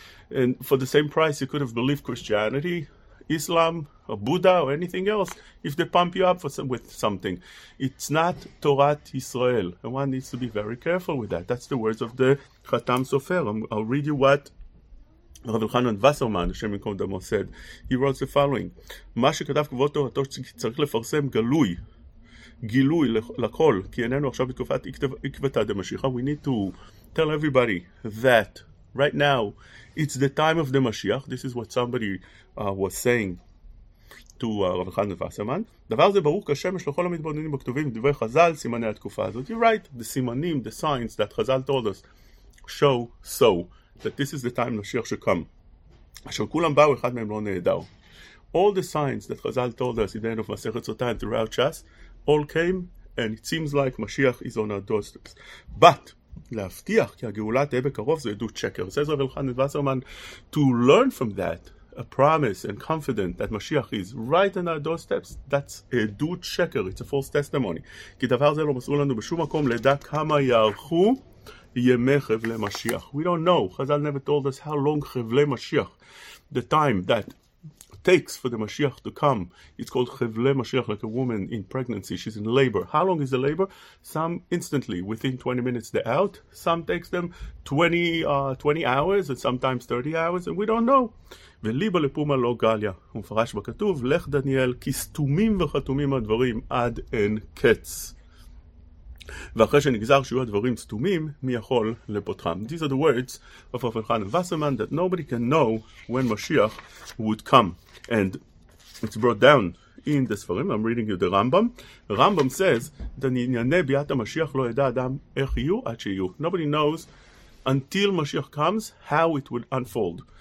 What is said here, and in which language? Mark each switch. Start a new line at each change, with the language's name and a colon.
English: And for the same price, you could have believed Christianity, Islam, or Buddha, or anything else, if they pump you up with something. It's not Torah Israel. And one needs to be very careful with that. That's the words of the Chatam Sofer. I'll read you what Rav Elchanan Wasserman, Hashem Yikom Damo, said. He wrote the following.
Hebrew: מה שכתב כבוד תורתו צריך לפרסם גלוי, גילוי לכל, כי איננו עכשיו בתקופת עקבתא דמשיחא.
English: We need to tell everybody that right now, it's the time of the Mashiach. This is what somebody was saying to Rav Chanan Wasserman.
Hebrew: דבר זה ברוך כשמש לכל המתבוננים בכתובים דברי חזל, סימני התקופה הזאת.
English: You're right, the simanim, the signs that חזל told us show so, that this is the time Mashiach should come.
Hebrew: אשר כולם באו, אחד מהם לא נהדר.
English: All the signs that חזל told us in the end of מסכת סוטה and throughout Ch'as, all came, and it seems like Mashiach is on our doorsteps.
Hebrew: But להבטיח כי הגאולה תהיה בקרוב זה עדות שקר.
English: Says Rav Elchanan Wasserman, to learn from that, a promise and confident that Mashiach is right on our doorsteps, that's
Hebrew: עדות שקר,
English: it's a false testimony.
Hebrew: כי דבר זה לא מסור לנו בשום מקום לדע כמה יערכו ימי חבלי משיח.
English: We don't know, Chazal never told us how long
Hebrew: חבלי משיח,
English: the time that takes for the Mashiach to come. It's called Chevle Mashiach, like a woman in pregnancy. She's in labor. How long is the labor? Some instantly, within 20 minutes, they're out. Some takes them 20 hours, and sometimes 30 hours, and we don't know.
Hebrew: וליבה לפומה לא גליה. הוא מפרש בכתוב, לך דניאל, כי סתומים וחתומים הדברים עד אין קץ. ואחרי שנגזר שיהיו הדברים סתומים, מי יכול לפותחם?
English: These are the words of Rav Elchanan Wasserman, that nobody can know when Mashiach would come. And it's brought down in the Sfarim. I'm reading you the Rambam. Rambam says, nobody knows until Mashiach comes how it will unfold.